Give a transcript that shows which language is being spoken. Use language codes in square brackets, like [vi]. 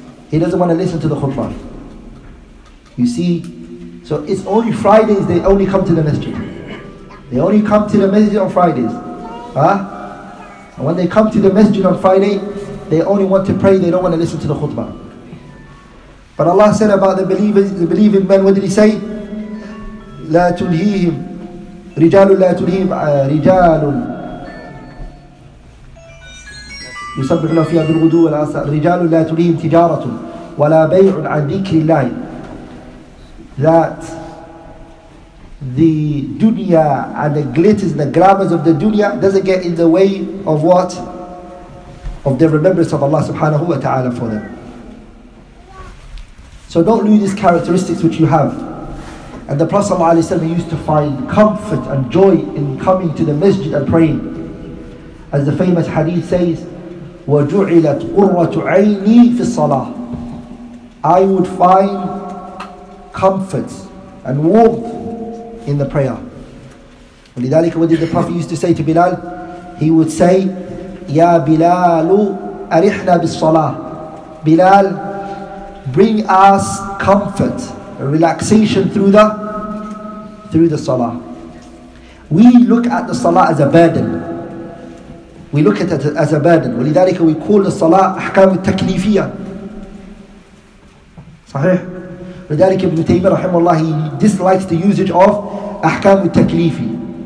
[en] He doesn't want to listen to the khutbah. You see, so it's only Fridays they only come to the masjid. They only come to the masjid on Fridays. Huh? And when they come to the masjid on Friday, they only want to pray, they don't want to listen to the khutbah. But Allah said about the believing men, what did He say? [ar] لا تلهيهم رجال لا تلهيهم رجال يسبح له فيها بالغدو والآصال رجال لا تلهيهم تجارة ولا بيع عن ذكر الله. [en] That the dunya and the glitters and the glamours of the dunya doesn't get in the way of what? Of the remembrance of Allah subhanahu wa ta'ala for them. So don't lose these characteristics which you have. And the Prophet ﷺ used to find comfort and joy in coming to the masjid and praying. As the famous hadith says, [ar] وَجُعِلَتْ قُرَّةُ عَيْنِي فِي الصَّلَاةِ. [en] I would find comfort and warmth in the prayer. ولذلك, what did the Prophet used to say to Bilal? He would say, [ar] يَا بِلَالُ أَرِحْنَا بِالصَّلَاةِ. [en] Bilal, bring us comfort, relaxation through the salah. We look at the salah as a burden. We look at it as a burden. ولذلك we call the salah [ar] أحكام التكليفية. صحيح. ولذلك ابن تيمية رحمه الله [en] he dislikes the usage of [ar] أحكام التكليفي.